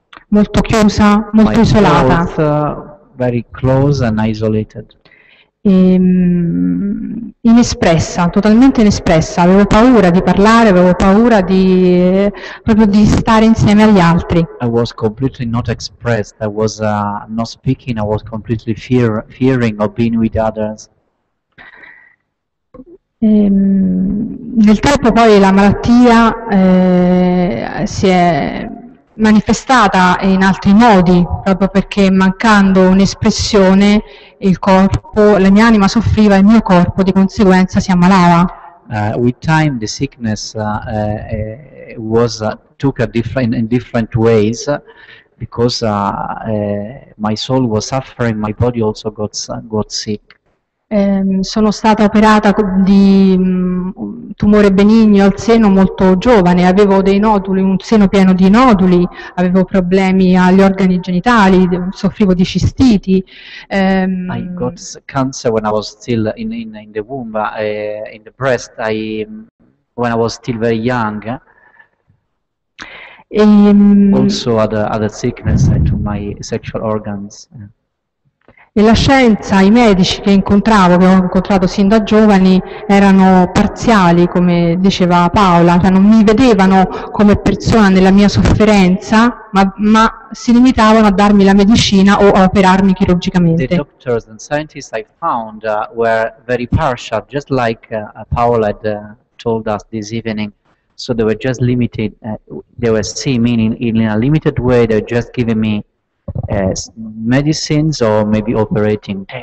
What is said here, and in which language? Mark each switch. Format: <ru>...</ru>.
<it>Molto chiusa, molto isolata.</it> <en>My throat, very close and isolated.</en> <it>Inespressa, totalmente inespressa. Avevo paura di parlare, avevo paura di proprio di stare insieme agli altri.</it> <en>I was completely not expressed. I was not speaking. I was completely fearing of being with others.</en> <it>Nel tempo poi la malattia si è manifestata in altri modi, proprio perché mancando un'espressione il corpo, la mia anima soffriva e il mio corpo di conseguenza si ammalava.</it> <en>With time the sickness took a different in different ways because my soul was suffering, my body also got sick.</en> <it>Sono stata operata di tumore benigno al seno molto giovane, avevo dei noduli, un seno pieno di noduli, avevo problemi agli organi genitali, soffrivo di cistiti.</it> <en>I got cancer when I was still in the womb, in the breast, when I was still very young. Also other sickness to my sexual organs.</en> <it>E la scienza, i medici che incontravo, che ho incontrato sin da giovani, erano parziali, come diceva Paola, cioè non mi vedevano come persona nella mia sofferenza, ma si limitavano a darmi la medicina o a operarmi chirurgicamente.</it> <en>The doctors and scientists I found were very partial, just like Paola had told us this evening. So they were just limited, they were seeing me in a limited way, they were just giving me medicines or maybe operating.</en>